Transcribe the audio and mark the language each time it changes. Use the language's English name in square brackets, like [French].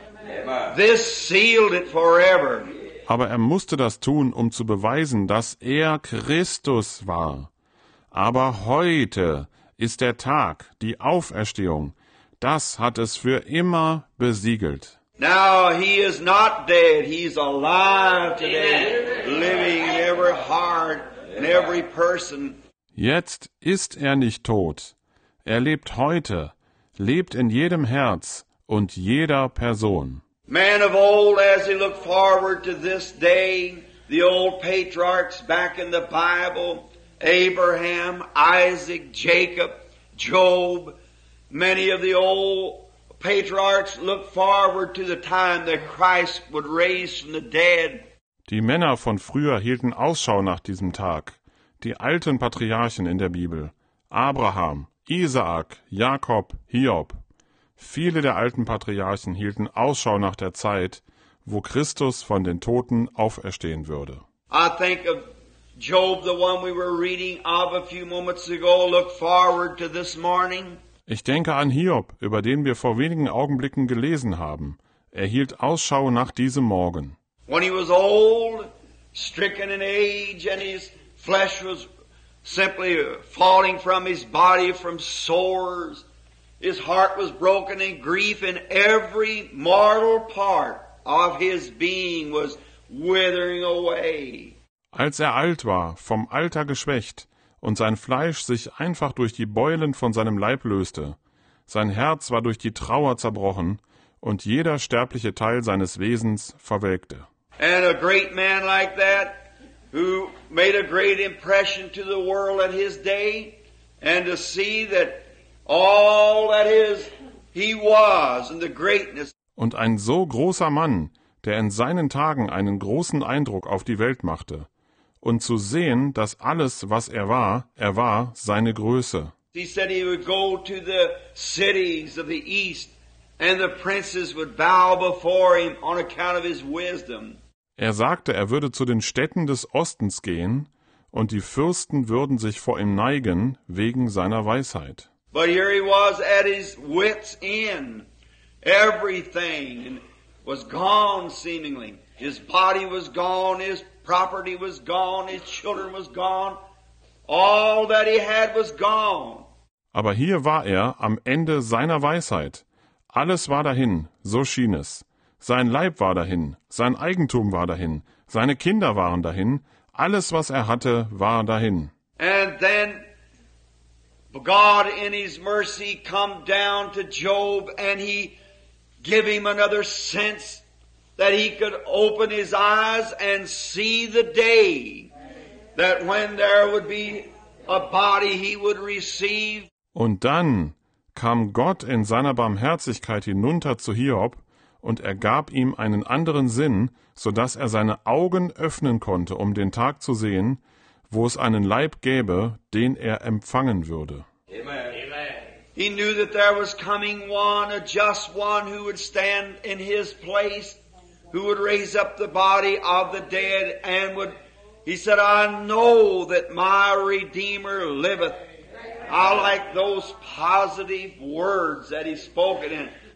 [English] Amen. This sealed it forever. [German] Aber er musste das tun, um zu beweisen, dass er Christus war. Aber heute ist der Tag, die Auferstehung. Das hat es für immer besiegelt. [English] Now he is not dead. He's alive today, Amen. Living in every heart. And every person. [German] Jetzt ist er nicht tot. Er lebt heute, lebt in jedem Herz und jeder Person. [English] Man of old, as he looked forward to this day, the old patriarchs back in the Bible, Abraham, Isaac, Jacob, Job, many of the old patriarchs looked forward to the time that Christ would raise from the dead. [German] Die Männer von früher hielten Ausschau nach diesem Tag. Die alten Patriarchen in der Bibel, Abraham, Isaak, Jakob, Hiob. Viele der alten Patriarchen hielten Ausschau nach der Zeit, wo Christus von den Toten auferstehen würde. [English] I think of Job, the one we were reading of a few moments ago, looked forward to this morning. [German] Ich denke an Hiob, über den wir vor wenigen Augenblicken gelesen haben. Er hielt Ausschau nach diesem Morgen. [English] When he was old, stricken in age, and his flesh was simply falling from his body from sores, his heart was broken in grief, and every mortal part of his being was withering away. [German] Als er alt war, vom Alter geschwächt, und sein Fleisch sich einfach durch die Beulen von seinem Leib löste, sein Herz war durch die Trauer zerbrochen, und jeder sterbliche Teil seines Wesens verwelkte. [English] And a great man like that, who made a great impression to the world at his day, and to see that all that is he was and the greatness. [German] Und ein so großer Mann, der in seinen Tagen einen großen Eindruck auf die Welt machte, und zu sehen, dass alles, was er war seine Größe. [English] He said he would go to the cities of the east, and the princes would bow before him on account of his wisdom. [German] Er sagte, er würde zu den Städten des Ostens gehen, und die Fürsten würden sich vor ihm neigen wegen seiner Weisheit. [English] But here he was at his wit's end. Everything was gone seemingly. His body was gone, his property was gone, his children was gone. All that he had was gone. [German] Aber hier war er am Ende seiner Weisheit. Alles war dahin, so schien es. Sein Leib war dahin, sein Eigentum war dahin, seine Kinder waren dahin, alles, was er hatte, war dahin. [English] And then God in his mercy come down to Job and he give him another sense that he could open his eyes and see the day that when there would be a body he would receive. [German] Und dann kam Gott in seiner Barmherzigkeit hinunter zu Hiob und er gab ihm einen anderen Sinn, so dass er seine Augen öffnen konnte, um den Tag zu sehen, wo es einen Leib gäbe, den er empfangen würde. [English] Amen. He knew that there was coming one, a just one, who would stand in his place, who would raise up the body of the dead, and would, he said, I know that my Redeemer liveth. I like those positive words that he spoke in.